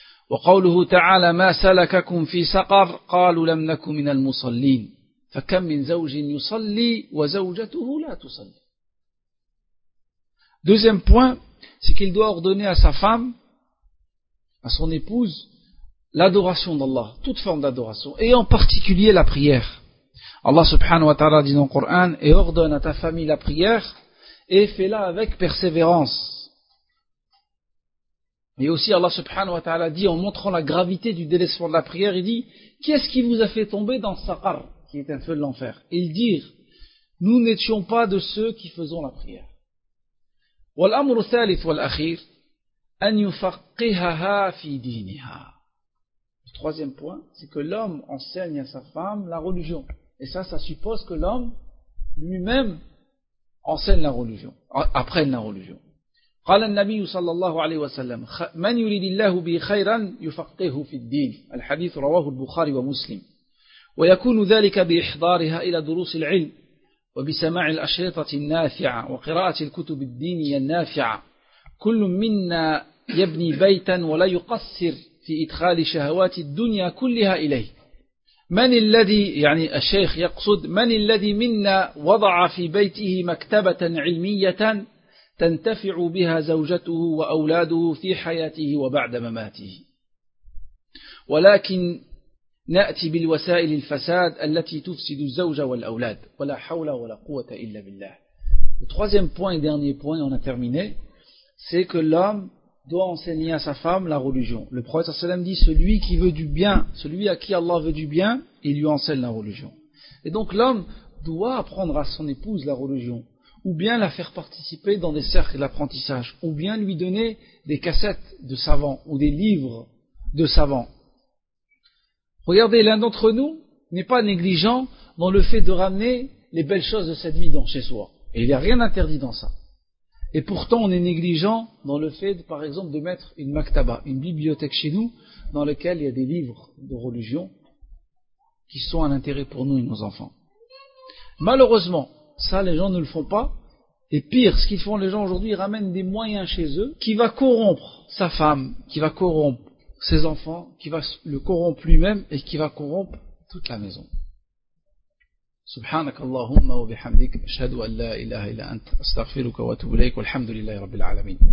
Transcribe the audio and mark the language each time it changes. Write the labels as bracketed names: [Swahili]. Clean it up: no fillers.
[Arabic] وقوله تعالى ما سلككم في سقر قالوا لم نكن من المصلين فكم من زوج يصلي وزوجته لا تصلي. [French] Deuxième point, c'est qu'il doit ordonner à sa femme, à son épouse, l'adoration d'Allah, toute forme d'adoration, et en particulier la prière. Allah subhanahu wa ta'ala dit dans le Coran, et ordonne à ta famille la prière, et fais-la avec persévérance. Et aussi Allah subhanahu wa ta'ala dit, en montrant la gravité du délaissement de la prière, il dit, qu'est-ce qui vous a fait tomber dans Saqar, qui est un feu de l'enfer? Et ils dirent, nous n'étions pas de ceux qui faisons la prière. [Arabic] وَالْأَمْرُ ثَالِثُ وَالْأَخِيرُ أَنْ يُفَقِّهَهَا فِي دِينِهَا. [French] Le troisième point, c'est que l'homme enseigne à sa femme la religion. Et ça suppose que l'homme, lui-même, enseigne la religion, apprenne la religion. [Arabic] قال النبي صلى الله عليه وسلم من يريد الله به خيرا يفقهه في الدين الحديث رواه البخاري ومسلم ويكون ذلك بإحضارها إلى دروس العلم وبسماع الأشرطة النافعة وقراءة الكتب الدينية النافعة كل منا يبني بيتا ولا يقصر في إدخال شهوات الدنيا كلها إليه من الذي يعني الشيخ يقصد من الذي منا وضع في بيته مكتبة علمية تنتفع بها زوجته وأولاده في حياته وبعد مماته، ولكن نأتي بالوسائل الفساد التي تفسد الزوجة والأولاد، ولا حول ولا قوة إلا بالله. [French] Le troisième point et dernier point, on a terminé, c'est que l'homme doit enseigner à sa femme la religion. Le prophète sallam dit, celui qui veut du bien, celui à qui Allah veut du bien, il lui enseigne la religion. Et donc l'homme doit apprendre à son épouse la religion, ou bien la faire participer dans des cercles d'apprentissage, ou bien lui donner des cassettes de savants, ou des livres de savants. Regardez, l'un d'entre nous n'est pas négligent dans le fait de ramener les belles choses de cette vie dans chez soi. Et il n'y a rien d'interdit dans ça. Et pourtant, on est négligent dans le fait, par exemple, de mettre une maktaba, une bibliothèque chez nous, dans laquelle il y a des livres de religion qui sont un intérêt pour nous et nos enfants. Malheureusement, ça, les gens ne le font pas. Et pire, ce qu'ils font, les gens aujourd'hui, ils ramènent des moyens chez eux qui va corrompre sa femme, qui va corrompre ses enfants, qui va le corrompre lui-même et qui va corrompre toute la maison. [Arabic] سبحانك اللهم وبحمدك أشهد أن لا إله إلا أنت أستغفرك وأتوب إليك والحمد لله رب العالمين.